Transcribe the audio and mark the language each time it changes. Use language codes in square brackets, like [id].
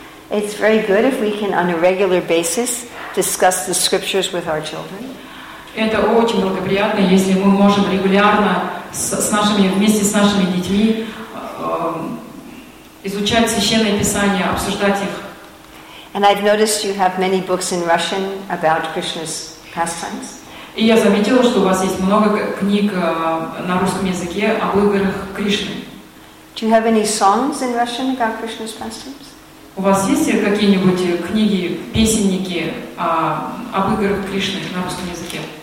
[en] It's very good if we can on a regular basis discuss the scriptures with our children. [ru] Это очень благоприятно, если мы можем регулярно вместе с нашими детьми изучать священные писания, обсуждать их. [en] And I've noticed you have many books in Russian about Krishna's pastimes. [ru] И я заметила, что у вас есть много книг на русском языке об играх Кришны. [en] Do you have any songs in Russian about Krishna's pastimes? [ru] У вас есть какие-нибудь книги, песенники об играх Кришны на русском языке?